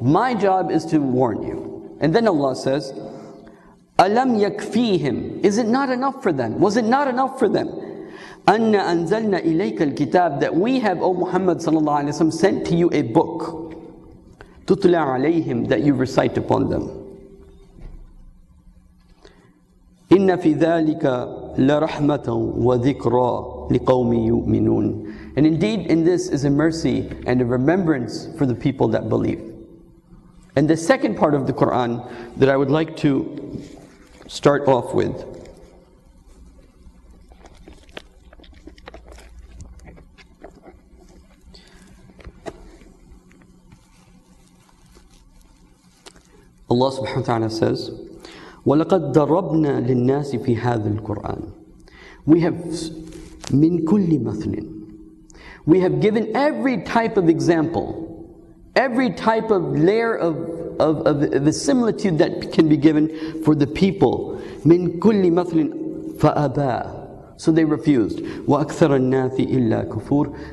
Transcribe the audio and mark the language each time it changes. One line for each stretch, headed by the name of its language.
English: My job is to warn you. And then Allah says,
Arabic: أَلَمْ يَكْفِيهِمْ.
English: Is it not enough for them? Was it not enough for them?
Arabic: أَنَّ أَنزَلْنَا إِلَيْكَ الْكِتَابِ.
English: That we have, O Muhammad ﷺ, sent to you a book.
Arabic: تُتْلَى عَلَيْهِمْ,
English: that you recite upon them.
Arabic: إن في ذلك لرحمة وذكرى لقوم يؤمنون.
English: And indeed, in this is a mercy and a remembrance for the people that believe. And the second part of the Quran that I would like to start off with. Allah subhanahu wa ta'ala says,
Arabic: وَلَقَدْ دَرَبْنَا لِلنَّاسِ فِي هَذَا الْقُرْآنِ.
English: We have
Arabic: مِنْ كُلِّ مَثْلٍ.
English: We have given every type of example, every type of layer of the similitude that can be given for the people.
Arabic: مِنْ كُلِّ مَثْلٍ فَأَبَى.
English: So they refused.
Arabic: وَأَكْثَرَ النَّاسِ إِلَّا كُفُورٍ.